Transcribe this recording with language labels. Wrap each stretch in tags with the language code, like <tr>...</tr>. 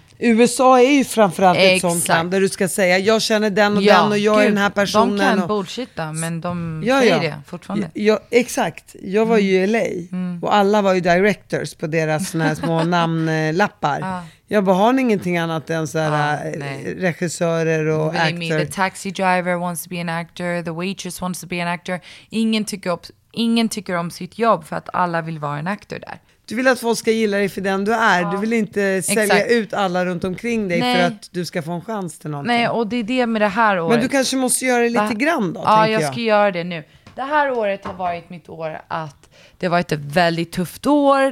<sv>USA är ju framförallt ett sånt land där du ska säga, jag känner den och den och jag är den här personen. De kan och... bullshitta, men de säger det fortfarande. Exakt, jag var ju i LA och alla var ju directors på deras såna här små namnlappar. Jag bara, har ingenting annat än så här regissörer och actor.</sv> <en>The taxi driver wants to be an actor, the waitress wants to be an actor.</en> <sv>Ingen tycker om sitt jobb, för att alla vill vara en actor där. Du vill att folk ska gilla dig för den du är. Ja, du vill inte sälja ut alla runt omkring dig för att du ska få en chans till någonting. Nej, och det är det med det här året. Men du kanske måste göra det lite grann då, tänker jag. Ja, jag ska göra det nu. Det här året har varit mitt år att... Det har varit ett väldigt tufft år.</sv>